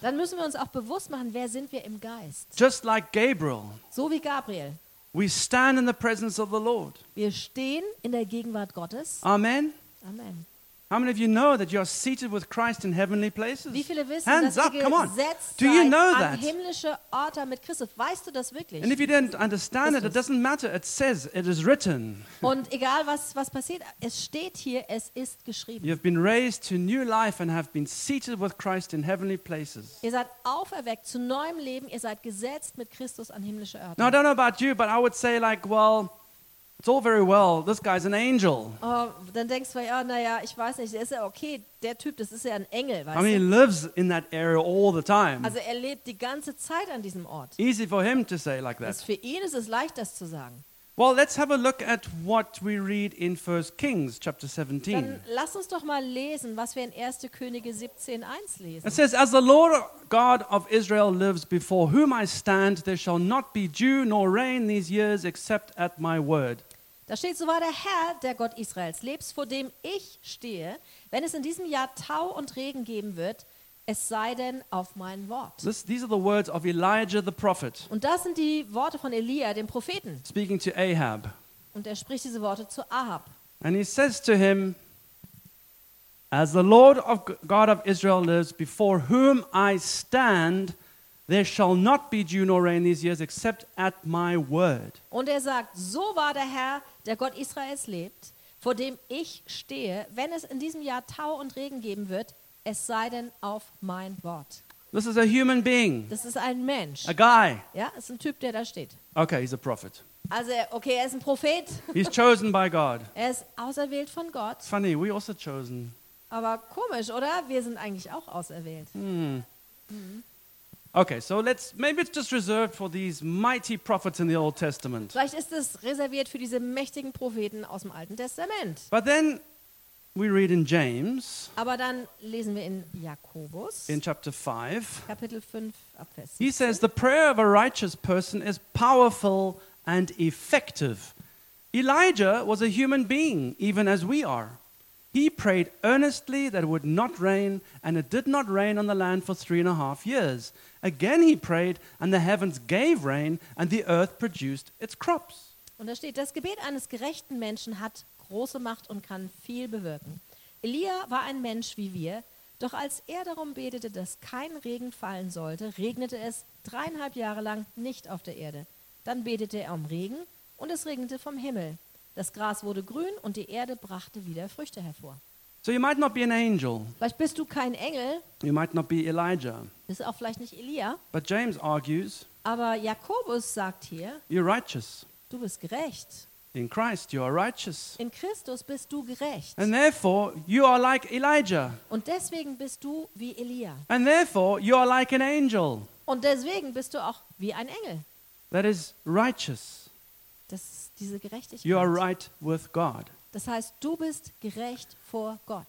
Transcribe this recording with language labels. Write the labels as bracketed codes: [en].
[de] Dann müssen wir uns auch bewusst machen, wer sind wir im Geist. [en] Just like Gabriel. [de] So wie Gabriel. [en] We stand in the presence of the Lord. [de] Wir stehen in der Gegenwart Gottes. Amen. Amen. [en] How many of you know that you are seated with Christ in heavenly places? [de] Wie viele wissen, [en] hands [de] dass [en] up, come on. Do you know an that? [de] Himmlische Orte mit Christus. Weißt du das wirklich? [en] And if you didn't understand Christus. It doesn't matter. It says it is written. [de] Und egal was passiert, es steht hier, es ist geschrieben. [en] You have been raised to new life and have been seated with Christ in heavenly places. [de] Ihr seid auferweckt zu neuem Leben. Ihr seid gesetzt mit Christus an himmlische Orte. [en] Now I don't know about you, but I would say like, well, it's all very well. This guy's an angel. [de] Oh, dann denkst du, ja, naja, ich weiß nicht, ist ja okay. Der Typ, das ist ja ein Engel, weißt du? [en] I mean, he lives in that area all the time. [de] Also er lebt die ganze Zeit an diesem Ort. [en] Easy for him to say like that. [de] Für ihn ist es leicht, das zu sagen. [en] Well, let's have a look at what we read in 1 Kings chapter 17. [de] Dann lass uns doch mal lesen, was wir in 1. Könige 17, 1 lesen. [en] It says, as the Lord God of Israel lives before whom I stand, there shall not be dew nor rain these years except at my word. [de] Da steht, so wahr der Herr, der Gott Israels, lebst, vor dem ich stehe, wenn es in diesem Jahr Tau und Regen geben wird, es sei denn auf mein Wort. [en] These are the words of Elijah the prophet. [de] Und das sind die Worte von Elia, dem Propheten. [en] Speaking to Ahab. [de] Und er spricht diese Worte zu Ahab. [en] And he says to him, as the Lord of God of Israel lives, before whom I stand, there shall not be dew nor rain these years except at my word. [de] Und er sagt, so wahr der Herr, der Gott Israels lebt, vor dem ich stehe, wenn es in diesem Jahr Tau und Regen geben wird, es sei denn auf mein Wort. [en] This is a human being. [de] Das ist ein Mensch. [en] A guy. [de] Ja, ist ein Typ, der da steht. [en] Okay, he's a prophet. [de] Also, okay, er ist ein Prophet. [en] He's chosen by God. [de] Er ist auserwählt von Gott. [en] Funny, we also chosen. [de] Aber komisch, oder? Wir sind eigentlich auch auserwählt. [en] Okay, so maybe it's just reserved for these mighty prophets in the Old Testament. [de] Vielleicht ist es reserviert für diese mächtigen Propheten aus dem Alten Testament. [en] But then we read in James. [de] Aber dann lesen wir in Jakobus. [en] In chapter 5. [de] Kapitel 5 ab Vers [en] 7. He says the prayer of a righteous person is powerful and effective. Elijah was a human being even as we are. He prayed earnestly that it would not rain, and it did not rain on the land for 3.5 years. Again he prayed, and the heavens gave rain, and the earth produced its crops. [de] Und da steht, das Gebet eines gerechten Menschen hat große Macht und kann viel bewirken. Elia war ein Mensch wie wir, doch als er darum betete, dass kein Regen fallen sollte, regnete es 3.5 Jahre lang nicht auf der Erde. Dann betete er um Regen, und es regnete vom Himmel. Das Gras wurde grün und die Erde brachte wieder Früchte hervor. [en] So you might not be an angel. [de] Vielleicht bist du kein Engel. [en] You might not be Elijah. [de] Bist auch vielleicht nicht Elia. [en] But James argues. [de] Aber Jakobus sagt hier. [en] You're righteous. [de] Du bist gerecht. [en] In Christ you are righteous. [de] In Christus bist du gerecht. [en] And therefore you are like Elijah. [de] Und deswegen bist du wie Elia. [en] And therefore you are like an angel. [de] Und deswegen bist du auch wie ein Engel. [en] That is righteous. [de] Das ist diese Gerechtigkeit. [en] You are right with God. [de] Das heißt, du bist gerecht vor Gott.